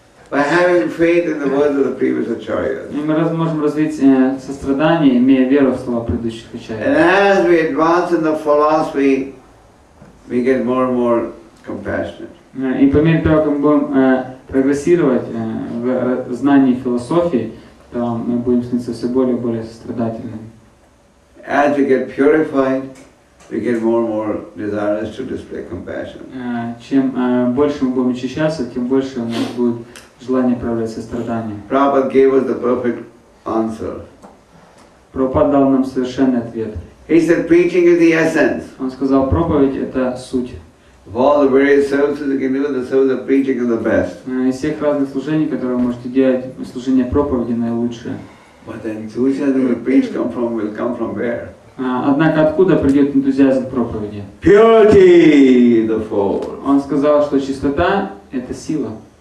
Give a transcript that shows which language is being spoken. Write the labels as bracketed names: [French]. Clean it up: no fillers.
[English] By having faith in the words of the previous acharyas. [Russian] Мы можем развить сострадание, имея веру в слова предыдущих ачарьев. [English] And as we advance in the philosophy, we get more and more compassionate. [Russian] И по мере того, как мы будем прогрессировать в знании философии, то мы будем становиться все более и более сострадательными. [English] As we get purified, we get more and more desires to display compassion. [Russian] Чем больше мы будем очищаться, тем больше у нас будет желание проявлять сострадание. [English] Prabhupada gave us the perfect answer. [Russian] Прабхупада дал нам совершенный ответ. [English] He said, preaching is the essence. [Russian] Он сказал, проповедь это суть. [English] Of all the various services you can do, the service of preaching is the best. [Russian] Из всех разных служений, которые вы можете делать, служение проповеди наилучшее. [English] But the enthusiasm of preach come from will come from where? [Russian] Однако откуда придет энтузиазм проповеди? [English] Purity, the fold. [Russian] Он сказал, что чистота это сила.